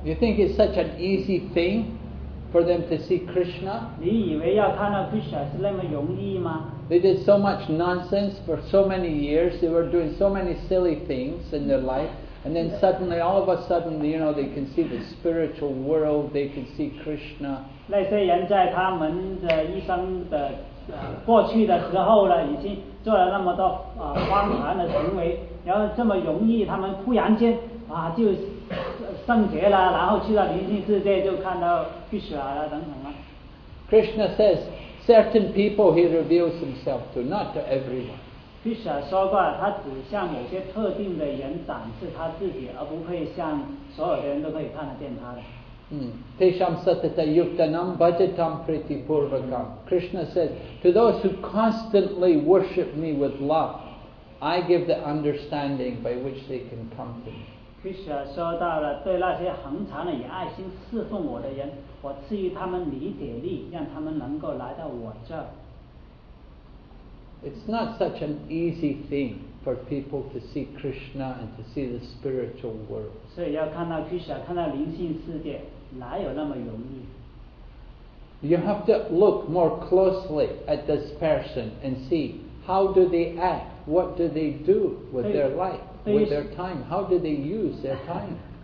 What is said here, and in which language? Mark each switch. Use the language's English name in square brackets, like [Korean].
[English] You think it's such an easy thing for them to see Krishna? [Chinese] 你以为要看到 Krishna 是那么容易吗？ [English] They did so much nonsense for so many years. They were doing so many silly things in their life. And then suddenly, all of a sudden, you know, they can see the spiritual world. They can see Krishna. [Chinese] 那些人在他们的一生的过去的时候呢，已经做了那么多荒唐的行为，然后这么容易，他们突然间就圣洁了，然后去到灵性世界就看到去雪了等等了。 [English] Krishna says certain people he reveals himself to, not to everyone. [Chinese] Krishna 说过，他只向某些特定的人展示他自己，而不会向所有的人都可以看得见他的。 [Sanskrit] Tesham satata yuktanam bhajatam priti purvakam. [English] Krishna says, to those who constantly worship me with love, I give the understanding by which they can come to me. [Chinese] Krishna 说到了对那些恒常的以爱心侍奉我的人，我赐予他们理解力，让他们能够来到我这。 [English] It's not such an easy thing for people to see Krishna and to see the spiritual world. [Chinese] 所以要看到Krishna，看到灵性世界，哪有那么容易？ [English] You have to look more closely at this person and see how do they act, what do they do with their life, with their time, how do they use their time.